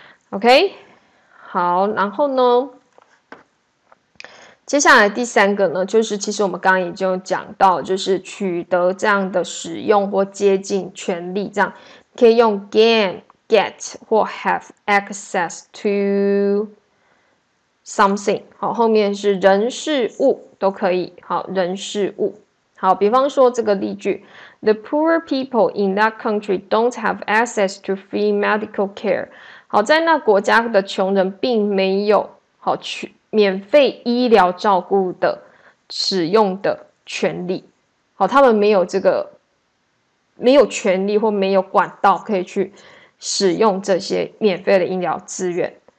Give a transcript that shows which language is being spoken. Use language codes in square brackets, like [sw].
[zh] OK， 好，然后呢？接下来第三个呢，就是其实我们刚刚已经有讲到，就是取得这样的使用或接近权利，这样可以用 gain、get 或 have access to something。好，后面是人事物都可以。好，人事物。好，比方说这个例句 [en] ：The poor people in that country don't have access to free medical care。 [zh] 好，在那国家的穷人并没有好去。免费医疗照顾的使用的权利，好，他们没有这个，没有权利或没有管道可以去使用这些免费的医疗资源。